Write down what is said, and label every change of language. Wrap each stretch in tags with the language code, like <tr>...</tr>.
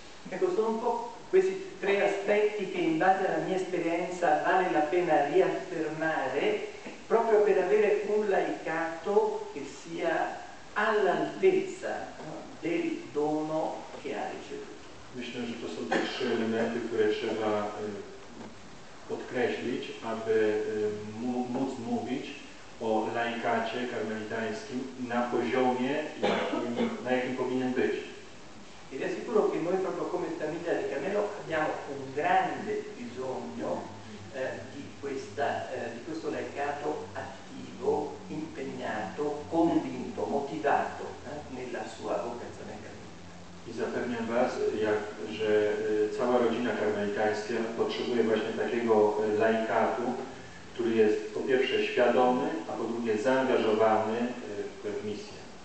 <it>Ecco, są to questi tre aspetti che in base alla mia esperienza vale la pena riaffermare proprio per avere un laicato che sia all'altezza del dono che ha ricevuto.</it> <pl>Myślę, że to są te trzy elementy, które trzeba podkreślić, aby móc mówić o laikacie karmelitańskim na poziomie, na jakim powinien być.</pl> <it>I vi assicuro che noi proprio come famiglia di Carmelo abbiamo un grande bisogno di questo laicato attivo, impegnato, convinto, motivato nella sua vocazione carmelitana.</it> <pl>I zapewniam was, że cała rodzina karmelitańska potrzebuje właśnie takiego laikatu, który jest po pierwsze świadomy, a po drugie zaangażowany w misję.</pl>